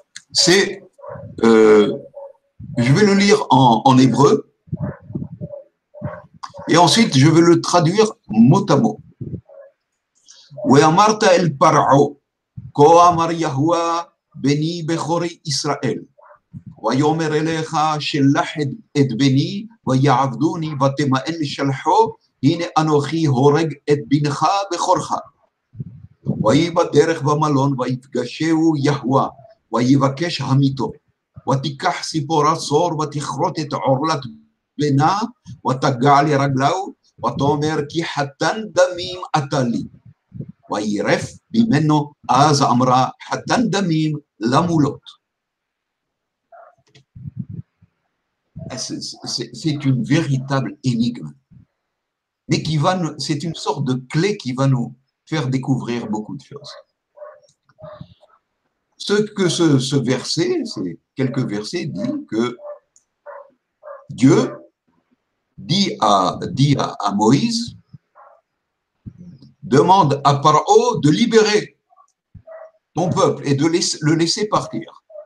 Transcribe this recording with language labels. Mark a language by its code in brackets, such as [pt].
[fr] Je vais le lire en hébreu, et ensuite je vais le traduire mot à mot. [he] « Ve'amarta el para'o » כה אמר יהוה בני בכורי ישראל ויאמר אליך שלח את בני ויעבדוני ותמאן לשלחו הנה אנוכי הורג את בנך בכורך ויהי בדרך במלון ויפגשהו יהוה ויבקש המיתו ותיקח סיפורה צור ותכרות את עורלת בנה ותגע לרגלו ותאמר כי חתן דמים אתה לי וירף ממנו אז אמרה חתן דמים למולות. [fr] C'est une véritable énigme, mais c'est une sorte de clé qui va nous faire découvrir beaucoup de choses. Ce que ce verset, ces quelques versets, dit que Dieu dit à Moïse, demande à Pharao de libérer ton peuple et de le laisser partir.